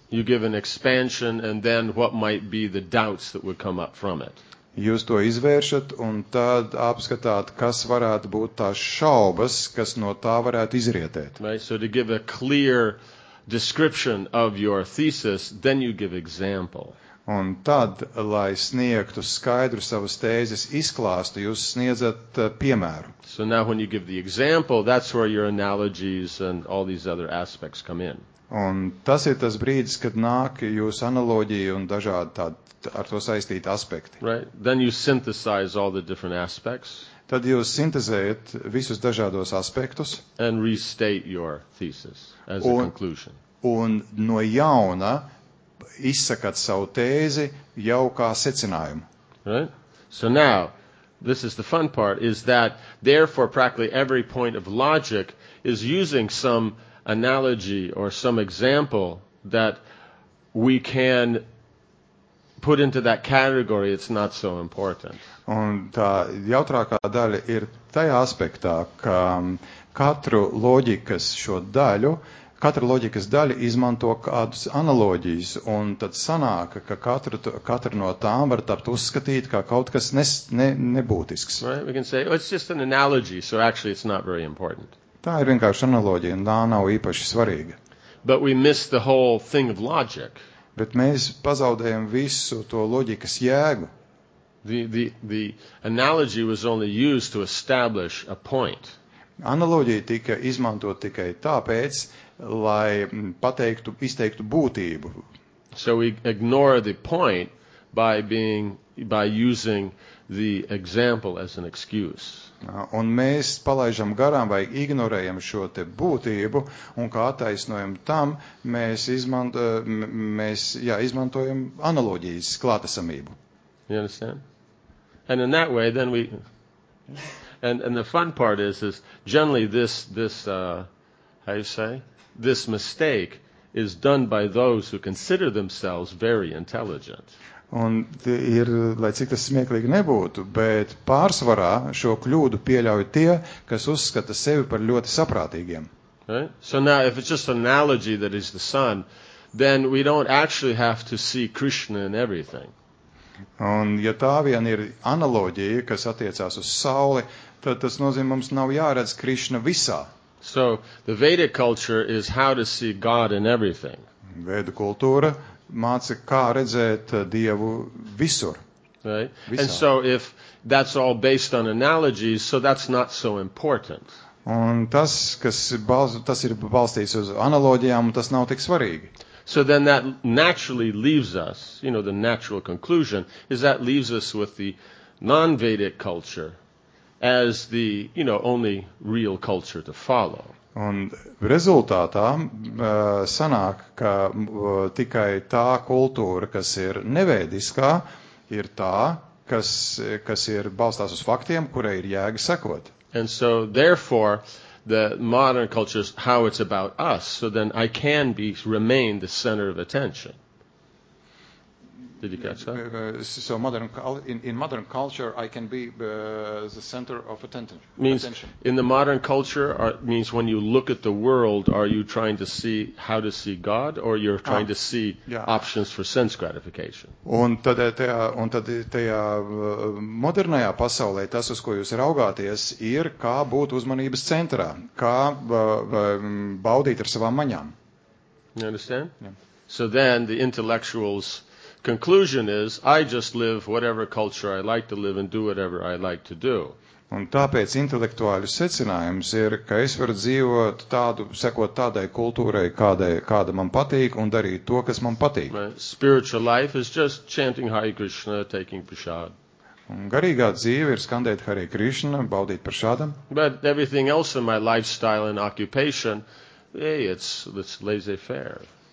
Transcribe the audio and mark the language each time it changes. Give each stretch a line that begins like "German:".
English: You give an expansion and then what might be the doubts that would come up from it.
Latvian: Jūs to izvēršat un tad apskatāt, kas varētu būt tās šaubas, kas no tā varētu izrietēt.
English: Right, so to give a clear description of your thesis, then you give example.
Latvian: Un tad, lai sniegtu skaidru savas tēzes izklāstu, jūs sniedzat piemēru.
English: So now when you give the example, that's where your analogies and all these other aspects come in.
Latvian: Un tas ir tas brīdis, kad nāk jūsu analoģija un dažādi tādi ar to saistīti aspekti.
English: Right. Then you synthesize all the different aspects.
Latvian: Tad jūs sintezējat visus dažādos aspektus.
English: And restate your thesis as a conclusion.
Latvian: Un no jauna izsakat savu tēzi jau kā secinājumu.
English: Right? So now, this is the fun part, is that therefore practically every point of logic is using some analogy or some example that we can put into that category, it's not so important.
Latvian: Un tā jautrākā daļa ir tajā aspektā, ka katru loģikas šo daļu, katra loģikas daļa izmanto kādus analoģijas, un tad sanāk, ka katru no tām var tapt uzskatīt kā kaut kas nebūtisks.
English: Right? We can say, oh, it's just an analogy, so actually it's not very important.
Latvian: Tā ir vienkārši analoģija, un tā nav īpaši svarīga.
English: But we miss the whole thing of logic.
Latvian: Bet mēs pazaudējam visu to loģikas jēgu.
English: The analogy was only used to establish a point.
Latvian: Analoģija tika izmantota tikai tāpēc, lai pateiktu, izteiktu būtību.
English: So we ignore the point by using the example as an excuse.
Latvian: Un mēs palaižam garām vai ignorējam šo te būtību, un kā attaisnojam tam, mēs izmantojam analoģijas klātesamību.
English: You understand? And in that way, then we... And the fun part is generally this mistake is done by those who consider themselves very intelligent.
Latvian: Un ir, lai cik tas smieklīgi nebūtu, bet pārsvarā šo kļūdu pieļauj tie, kas uzskata sevi par ļoti saprātīgiem.
English: Right? So now, if it's just an analogy that is the sun, then we don't actually have to see Krishna in everything.
Latvian: Un ja tā vien ir analoģija, kas attiecās uz sauli, tad tas nozīmē, mums nav jāredz Krishna visā.
English: So, the Vedic culture is how to see God in everything.
Latvian: Vedu kultūra māca, kā redzēt Dievu visur.
English: Right?
Latvian: Visā.
English: And so, if that's all based on analogies, so that's not so important.
Latvian: Un tas, kas tas ir balstīts uz analoģijām, tas nav tik svarīgi.
English: So then that naturally leaves us, you know, the natural conclusion is that leaves us with the non-Vedic culture as the, you know, only real culture to follow.
Latvian: Un rezultātā sanāk, ka tikai tā kultūra, kas ir nevēdiskā, ir tā, kas ir balstās uz faktiem, kurai ir jēga sekot.
English: And so, therefore, the modern cultures, how it's about us, so then I can be remain the center of attention. Did you catch that? So modern in modern culture, I can be the center of attention. Means in the modern culture, means when you look at the world, are you trying to see how to see God, or you're trying to see options for sense gratification?
Latvian: Un tad tajā modernajā pasaulē, tas, uz ko jūs raugāties, ir kā būt uzmanības centrā, kā baudīt ar savām maņām.
English: You understand? Yeah. So then the intellectuals... conclusion is, I just live whatever culture I like to live and do whatever I like to do.
Latvian: Un tāpēc intelektuāļu secinājums ir, ka es varu dzīvot tādu, sekot tādai kultūrai, kāda man patīk, un darīt to, kas man patīk.
English: My spiritual life is just chanting Hare Krishna, taking prasad.
Latvian: Un garīgā dzīve ir skandēt Hare Krishna, baudīt prasadam.
English: But everything else in my lifestyle and occupation, hey, it's laissez-faire.